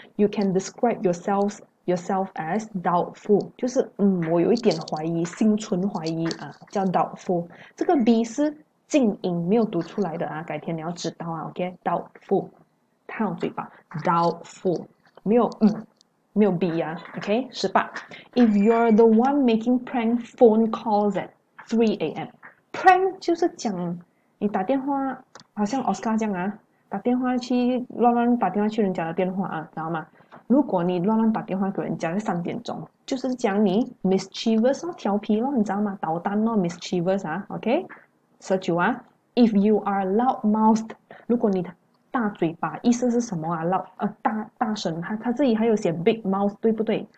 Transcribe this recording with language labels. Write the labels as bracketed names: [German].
[English] You can describe yourself as doubtful， [Chinese] 就是我有一点怀疑，心存怀疑啊，叫 doubtful。这个 B 是静音，没有读出来的啊，改天你要知道啊。 OK，doubtful，烫嘴巴，doubtful，没有 B 啊。 OK，十八。 [English] If you're the one making prank phone calls at 3 a.m.，prank [Chinese] 就是讲你打电话。好像奥斯卡这样啊，打电话去乱乱打电话去人家的电话啊，知道吗？如果你乱乱打电话给人家在3点钟，就是讲你 mischievous 哦，调皮咯，你知道吗？捣蛋咯，mischievous 啊，OK？ 十九啊， [English] If you are loud-mouthed， [Chinese] 如果你大嘴巴，意思是什么啊？loud 大声，他自己还有写 big mouth，对不对？